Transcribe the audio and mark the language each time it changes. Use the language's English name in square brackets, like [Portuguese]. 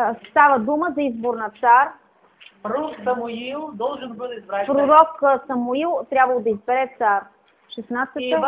[Bulgarian] Става дума за избор на цар. [Russian] Пророк Самуил должен был избрать царя. [Bulgarian] Пророк Самуил трябвало да избере цар. 16-та.